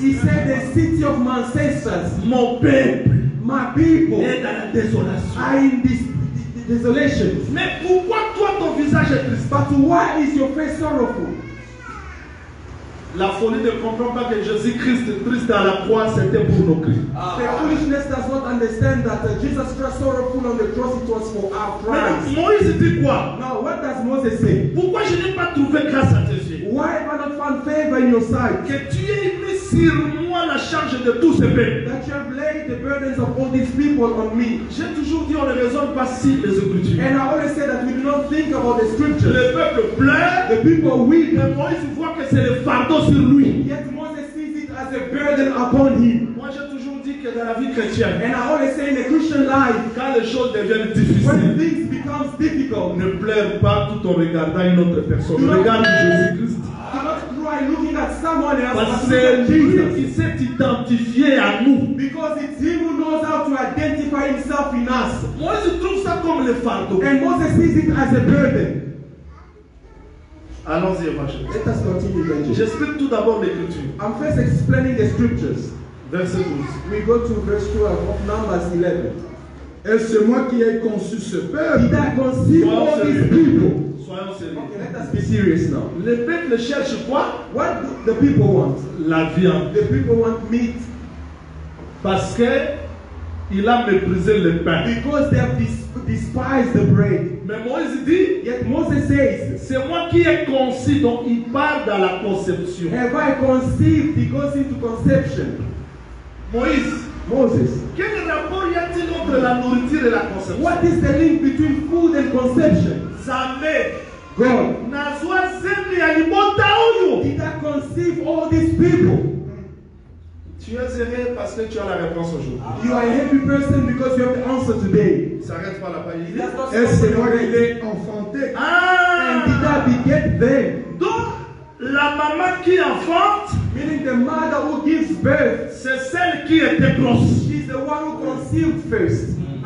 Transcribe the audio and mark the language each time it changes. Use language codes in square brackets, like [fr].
[en] He said the city of my ancestors, [fr] mon peuple, [en] my people, [fr] est dans la désolation. [en] I in this desolation. [fr] Mais pourquoi toi ton visage est triste? [en] But why is your face sorrowful? [fr] La folie ne comprend pas que Jésus-Christ triste à la croix, c'était pour nos cris. [en] The foolishness does not understand that Jesus Christ sorrowful on the cross, it was for our cries. [fr] Mais Moïse dit quoi? [en] Now, what does Moses say? [fr] Pourquoi je n'ai pas trouvé grâce à tes yeux? [en] Why have I not found favor in your sight? [fr] Que tu aies mis sur moi la charge de tous ces peuples. [en] That you have laid the burdens of all these people on me. [fr] J'ai toujours dit on ne raisonne pas si les Écritures. [en] And I always say that we do not think about the scriptures. [fr] Le peuple pleure. [en] The people weep. [fr] Mais Moïse voit que c'est le fardeau sur lui. [en] Yet Moses sees it as a burden upon him. [fr] Moi j'ai toujours dit que dans la vie chrétienne, [en] and I always say in the Christian life, [fr] quand les choses deviennent difficiles, [en] when things become difficult, [fr] ne pleure pas tout en regardant une autre personne. Regarde Jésus-Christ. [en] Do not cry looking at someone else. [fr] Parce que c'est lui qui s'est identifié à nous. [en] Because it's him who knows how to identify himself in us. [fr] Moïse trouve ça comme le fardeau. [en] And Moses sees it as a burden. [fr] Allons-y, ma chérie. J'explique tout d'abord l'écriture. [en] I'm first explaining the scriptures. [fr] Verset 12. [en] We go to verse 12 of Numbers 11. [fr] Est-ce moi qui ai conçu ce peuple? [en] Did I conceive all these people? [fr] Soyons sérieux. [en] Okay, let us be serious now. [fr] Le peuple cherche quoi? [en] What do the people want? [fr] La viande. [en] The people want meat. [fr] Parce que il a méprisé le pain. [en] Because they have despised the bread. [fr] Mais Moïse dit, [en] yet Moses says, [fr] c'est moi qui ai conçu, donc il parle dans la conception. [en] Have I conceived? He goes into conception. [fr] Moïse, [en] Moses, [fr] quel rapport y a-t-il entre la nourriture et la conception? [en] What is the link between food and conception? [fr] Jamais. [en] God. [ln] Nazwa zemi alibota oyo. [en] Did I conceive all these people? [fr] Tu es heureux parce que tu as la réponse aujourd'hui. [en] You are a happy person because you have the answer today. [fr] S'arrête pas la parole. Est-ce que moi il est enfanté? Ah! [en] And did I beget them? [fr] Donc, la maman qui enfante, [en] meaning the mother who gives birth, [fr] c'est celle qui était grosse. [en] She's the one who conceived first.